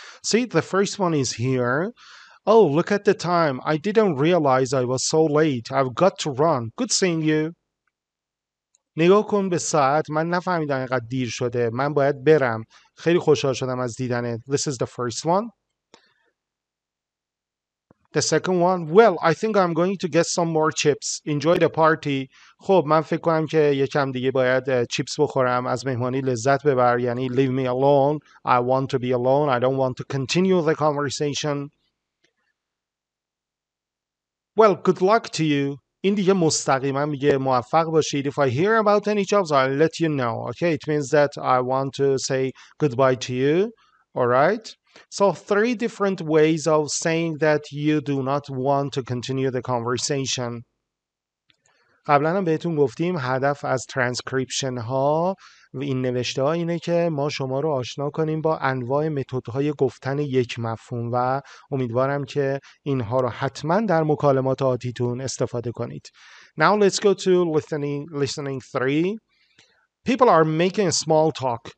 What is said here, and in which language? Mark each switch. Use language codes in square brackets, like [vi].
[en] See, the first one is here. Oh, look at the time. I didn't realize I was so late. I've got to run. Good seeing you. [fa] نگاه کن به ساعت. من نفهمیدم اینقدر دیر شده. من باید برم. خیلی خوشحال شدم از دیدنت. [en] This is the first one. The second one. Well, I think I'm going to get some more chips. Enjoy the party. [fa] خب من فکر کنم که یکم دیگه باید چیپس بخورم. از مهمانی لذت ببر. یعنی [en] leave me alone. I want to be alone. I don't want to continue the conversation. Well, good luck to you. [fa] این دیگه مستقیما میگه موفق باشید. [en] If I hear about any jobs, I'll let you know. Okay, it means that I want to say goodbye to you. Alright? So, 3 different ways of saying that you do not want to continue the conversation. [fa] قبلا هم بهتون گفتیم هدف از ترانسکریپشن ها و این نوشته ها اینه که ما شما رو آشنا کنیم با انواع متدهای گفتن یک مفهوم و امیدوارم که اینها رو حتما در مکالمات آتیتون استفاده کنید. [en] Now let's go to listening 3. People are making a small talk.